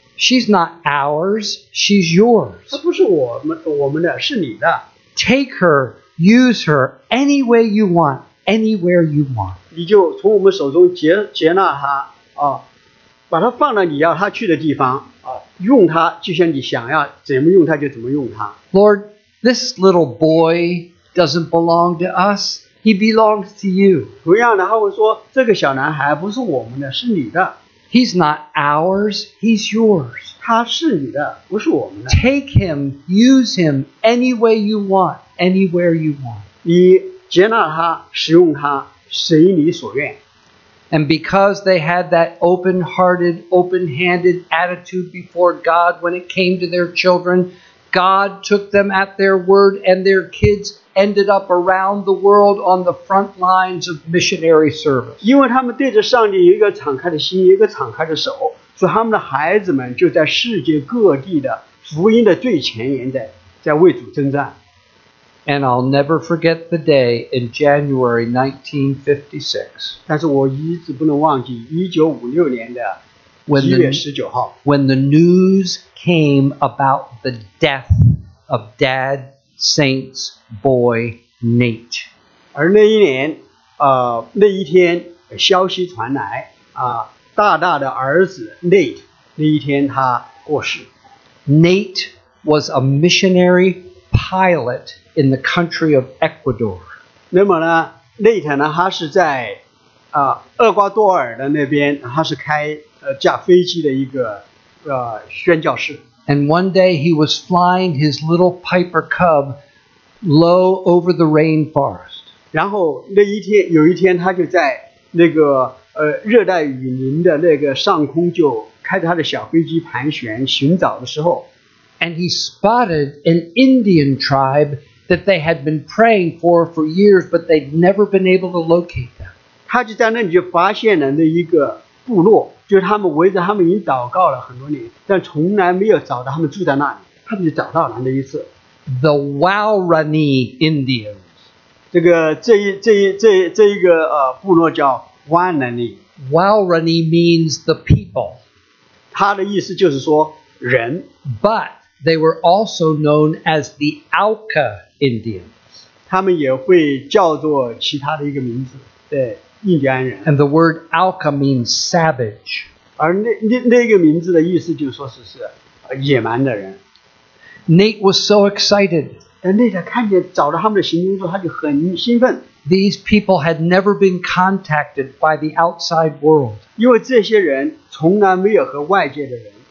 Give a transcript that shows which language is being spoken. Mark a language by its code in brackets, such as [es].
[en] She's not ours, she's yours. [zh] 她不是我们的，是你的。 [en] Take her, use her any way you want, anywhere you want. [zh] 你就从我们手中接纳她啊。把它放到你要它去的地方用它就像你想要怎么用它就怎么用它。 [en] Lord, this little boy doesn't belong to us. He belongs to you. [zh] 同样的他会说这个小男孩不是我们的是你的。 [en] He's not ours, he's yours. [zh] 他是你的不是我们的。 [en] Take him, use him any way you want, anywhere you want. [zh] 你接纳他使用他随你所愿。 [en] And because they had that open-hearted, open-handed attitude before God when it came to their children, God took them at their word and their kids ended up around the world on the front lines of missionary service. [zh] 因为他们对着上帝有一个敞开的心，有一个敞开的手，所以他们的孩子们就在世界各地的福音的最前沿在为主征战。 [en] And I'll never forget the day in January 1956. [zh] 但是我一直不能忘记1956年的7月19号 [en] when the news came about the death of Dad Saint's boy Nate. [zh] 而那一年那一天消息传来大大的儿子 Nate 那一天他过世。 [en] Nate was a missionary pilot in the country of Ecuador. [zh] 那么呢 Nate 呢他是在厄瓜多尔的那边他是开驾飞机的一个宣教士。 [en] And one day he was flying his little Piper Cub low over the rainforest. [zh] 然后有一天他就在那个热带雨林的那个上空就开着他的小飞机盘旋寻找的时候。 [en] And he spotted an Indian tribe that they had been praying for years, but they'd never been able to locate them. [zh] 他就在那里就发现了那一个部落，就是他们围着他们已经祷告了很多年，但从来没有找到他们住在那里。他们就找到了那一次。 [en] The Warani Indians. [zh] 这个部落叫 Warani. [en] Warani means the people. [zh] 他的意思就是说人。 [en] But they were also known as the Alka Indians. [zh] 他们也会叫做其他的一个名字，对，印第安人。 [en] And the word Alka means savage. [zh] 而那个名字的意思就是说是野蛮的人。 [en] Nate was so excited. [zh] 但 Nate 看见找到他们的行踪之后，他就很兴奋。 [en] These people had never been contacted by the outside world. [zh] 因为这些人从来没有和外界的人